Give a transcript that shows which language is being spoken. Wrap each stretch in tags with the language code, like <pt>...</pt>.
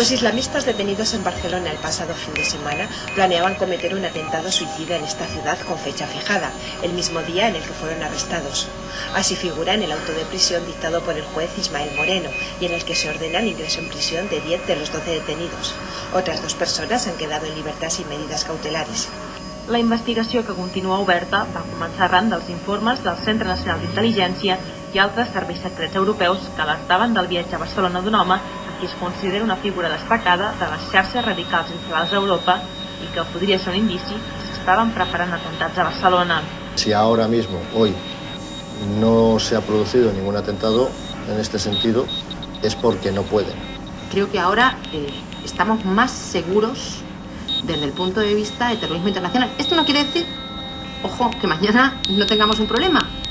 <es>Los islamistas detenidos en Barcelona el pasado fin de semana planeaban cometer un atentado suicida en esta ciudad con fecha fijada, el mismo día en el que fueron arrestados. Así figura en el auto de prisión dictado por el juez Ismael Moreno y en el que se ordena el ingreso en prisión de 10 de los 12 detenidos. Otras 2 personas han quedado en libertad sin medidas cautelares.</es> <ca>La investigació, que continua oberta, va començar arran dels informes del Centre Nacional d'Intel·ligència i altres serveis secrets europeus que alertaven del viatge a Barcelona d'un home a qui es considera una figura destacada de les xarxes radicals infiltrades a Europa i que podria ser un indici que s'estaven preparant atemptats a Barcelona.</ca> <es>Si ahora mismo, hoy, no se ha producido ningún atentado en este sentido, es porque no pueden. Creo que ahora estamos más seguros desde el punto de vista del terrorismo internacional. Esto no quiere decir, ojo, que mañana no tengamos un problema.</es>